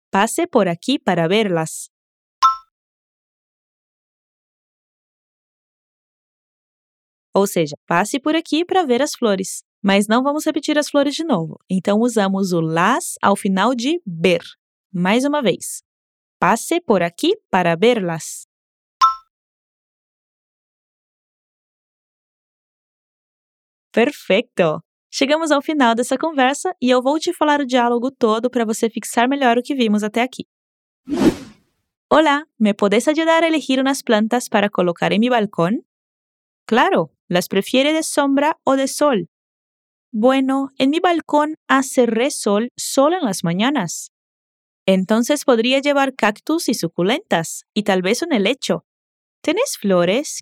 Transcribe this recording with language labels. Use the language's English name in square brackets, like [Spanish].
[Spanish] Passe por aqui para verlas. [Portuguese] Ou seja, passe por aqui para ver as flores. Mas não vamos repetir as flores de novo, então usamos o las ao final de ver. Mais uma vez. [Spanish] Passe por aquí para verlas. Perfecto! [Portuguese] Chegamos ao final dessa conversa e eu vou te falar o diálogo todo para você fixar melhor o que vimos até aqui. [Spanish] Hola, ¿me podés ayudar a elegir unas plantas para colocar en mi balcón? Claro, ¿las prefiere de sombra o de sol? Bueno, en mi balcón hace re sol solo en las mañanas. Entonces podría llevar cactus y suculentas, y tal vez un helecho. ¿Tenés flores?